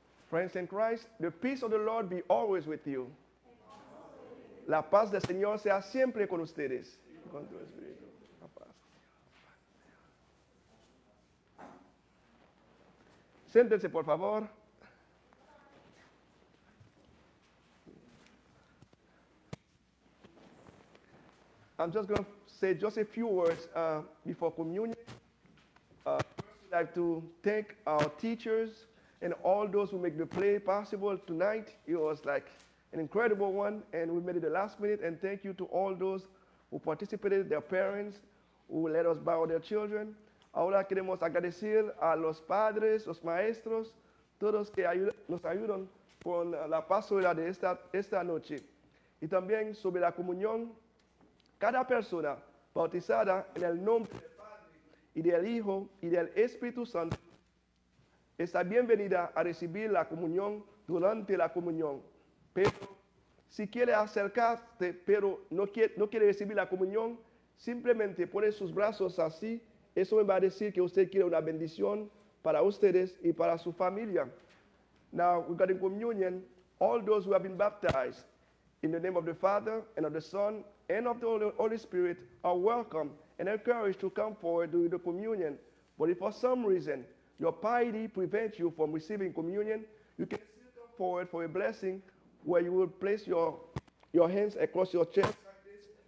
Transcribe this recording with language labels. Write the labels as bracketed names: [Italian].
[English] Friends in Christ, the peace of the Lord be always with you. [Spanish] La paz del Señor sea siempre con ustedes. Con tu espíritu. La paz. Siéntense, por favor. [English] I'm just going to say just a few words before communion. First, I'd like to thank our teachers and all those who make the play possible tonight. It was like an incredible one, and we made it the last minute. And thank you to all those who participated, their parents, who let us borrow their children. [Spanish] Ahora queremos agradecer a los padres, los maestros, todos que nos ayudaron con la pasola de esta noche. Y también sobre la comunión, cada persona bautizada en el nombre del Padre, y del Hijo, y del Espíritu Santo, está bienvenida a recibir la comunión durante la comunión. Pero si quiere acercarte, pero no quiere recibir la comunión, simplemente pone sus brazos así. Eso me va a decir que usted quiere una bendición para ustedes y para su familia. [English] Now, regarding communion, all those who have been baptized in the name of the Father and of the Son and of the Holy Spirit are welcome and encouraged to come forward during the communion. But if for some reason your piety prevents you from receiving communion, you can sit up forward for a blessing where you will place your hands across your chest like this.